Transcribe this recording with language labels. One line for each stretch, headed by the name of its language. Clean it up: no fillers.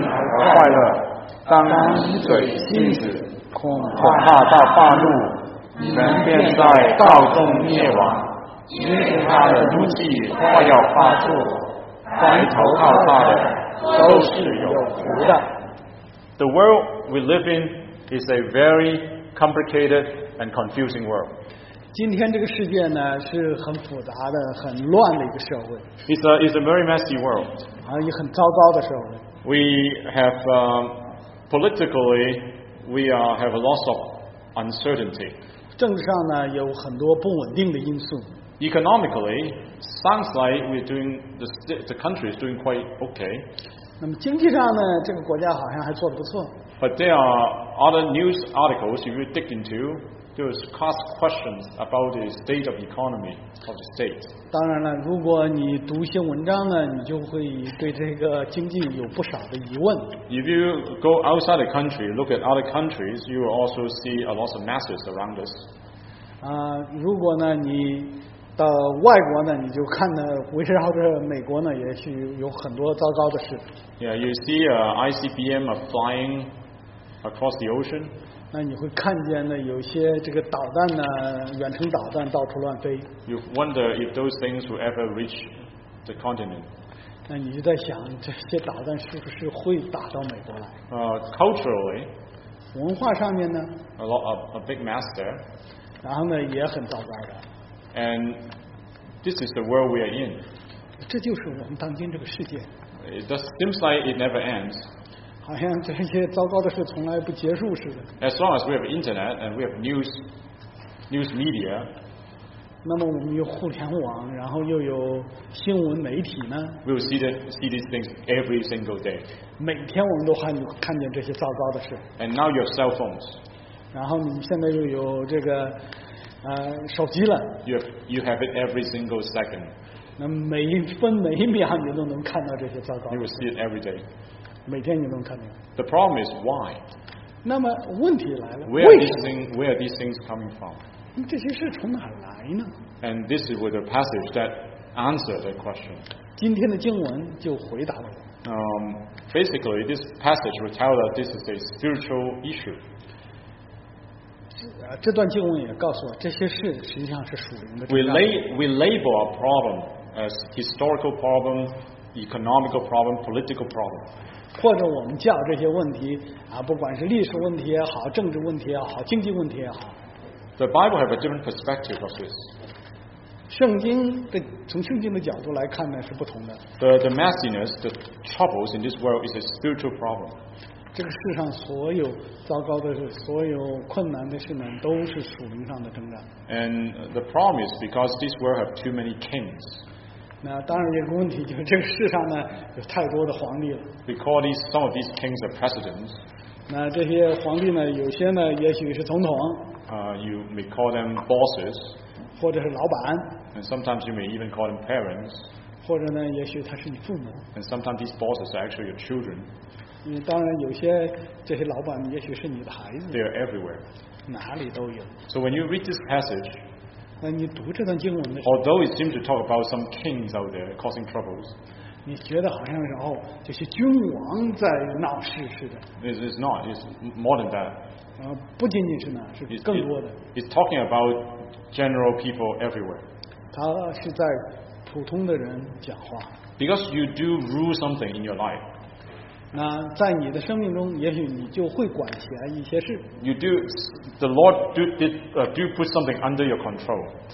Chinese: 而快乐，当以嘴禁止，恐怕到发怒，你们便在道中灭亡。因为他的怒气快要发作，凡投靠他的都是有福的。
English: The world we live in is a very complicated and confusing world.
Chinese: 今天这个世界呢是很复杂的、很乱的一个社会。
English: It's a very messy world.
Chinese: 也很糟糕的社会。
English: We have politically, we have a lot of uncertainty.
Chinese: 政治上呢有很多不稳定的因素。
English: Economically, sounds like we're doing the country is doing quite okay.
Chinese: 那么经济上呢，这个国家好像还做得不错。
English: But there are other news articles if you dig into.
Chinese: 就是
English: cast questions about the state of economy of the state.
Chinese: 当然了，如果你读一些文章呢，你就会对这个经济有不少的疑问。
English: If you go outside the country, look at other countries, you will also see a lot of messes around us.
Chinese: 如果呢你的外国呢，你就看呢，围绕着美国呢，也许有很多糟糕的事。
English: Yeah, you see a ICBM flying across the ocean.
Chinese: 那你会看见呢，有些这个导弹呢，远程导弹到处乱飞。
English: You wonder if those things will ever reach the continent.
Chinese: 那你就在想，这些导弹是不是会打到美国来？
English: Culturally,
Chinese: 文化上面呢
English: ，a big mess there.
Chinese: 然后呢，也很糟糕的。
English: And this is the world we are in.
Chinese: 这就是我们当今这个世界。
English: It just seems like it never ends.
Chinese: 好像这些糟糕的事从来不结束似的。
English: As long as we have internet and we have news media.
Chinese: 那么我们有互联网，然后又有新闻媒体呢
English: ？We will see these things every single day.
Chinese: 每天我们都还看见这些糟糕的事。
English: And now your cell phones.
Chinese: 然后你们现在又有这个。手机了。
English: You have it every single second.
Chinese: 那每一分每一秒你都能看到这些糟糕。
English: You will see it every day.
Chinese: 每天你都能看到。
English: The problem is why.
Chinese: 那么问题来了。
English: Where are these things coming from?
Chinese: 这些事从哪来呢？
English: And this is with a passage that answers the question.
Chinese: 今天的经文就回答了。
English: Basically, this passage will tell that this is a spiritual issue.
Chinese: 这段经文也告诉我，这些事实际上是属灵的。
English: We label a problem as historical problem, economical problem, political problem.
Chinese: 或者我们叫这些问题啊，不管是历史问题也好，政治问题也好，经济问题也好。
English: The Bible have a different perspective of this.
Chinese: 圣经的从圣经的角度来看呢是不同的。
English: The messiness, the troubles in this world is a spiritual problem.
Chinese: 这个世上所有糟糕的事，所有困难的事呢，都是属灵上的征战。
English: And the problem is because this world have too many kings.
Chinese: 那当然有个问题，就是这个世上呢有太多的皇帝了。
English: We call these some of these kings are presidents.
Chinese: 那这些皇帝呢，有些呢也许是总统。
English: You may call them bosses.
Chinese: 或者是老板。
English: And sometimes you may even call them parents.
Chinese: 或者呢，也许他是你父母。
English: And sometimes these bosses are actually your children.
Chinese: 当然有些这些老板也许是你的孩子。
English: They are everywhere.
Chinese: 哪里都有。
English: So when you read this passage,
Chinese: 那你读这段经文的时候，
English: although it seems to talk about some kings out there causing troubles,
Chinese: 你觉得好像是哦，这些君王在闹事似的。
English: It's not. It's more than that.
Chinese: 不仅仅是呢，是更多的。
English: It's talking about general people everywhere.
Chinese: 他是在普通的人讲话。
English: Because you do rule something in your life.
Chinese: 那在你的生命中，也许你就会管辖一些事。
English: You do, the Lord do put something under your control.